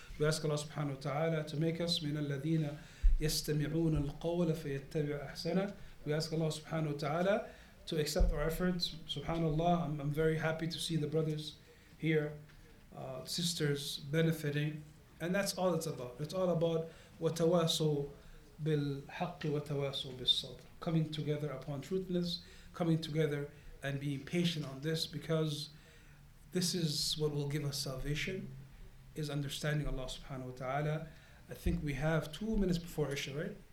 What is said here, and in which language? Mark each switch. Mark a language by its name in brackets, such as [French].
[English] We ask Allah subhanahu wa ta'ala to make us [Arabic] مِنَ الَّذِينَ يستمعون القول فيتبع أحسنه. [English] We ask Allah subhanahu wa ta'ala to accept our efforts. Subhanallah, I'm very happy to see the brothers here, sisters benefiting. And that's all it's about. It's all about [Arabic] وتواصوا بالحق وتواصوا بالصبر. [English] Coming together upon truthfulness, coming together and being patient on this, because this is what will give us salvation, is understanding Allah subhanahu wa ta'ala. I think we have 2 minutes before Isha, right?